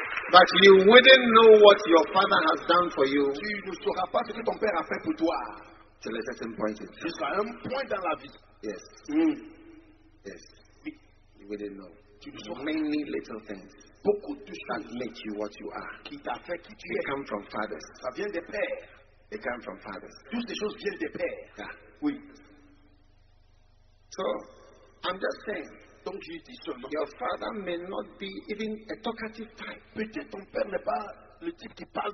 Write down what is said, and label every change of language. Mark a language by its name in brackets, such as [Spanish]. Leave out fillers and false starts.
[English] But you wouldn't know what your father has done for you. [French] Tu ne sauras pas ce que ton père a fait pour toi. [English] Till a certain point. [French] Jusqu'à un point dans la vie. [English] Yes. Mm. Yes. You wouldn't know. [French] Tu ne sauras [English] many little things. [French] Beaucoup de choses [English] that make you what you are. [French] Qui t'a fait qui tu es. [English] They come from fathers. [French] Ça vient des pères. [English] They come from fathers. [French] Toutes ces choses viennent des pères. [English] Yeah. [French] Oui. [English] So, I'm just saying. [French] Donc, je dis seulement, [English] your father may not be even a talkative type. [French] Peut-être ton père n'est pas le type qui parle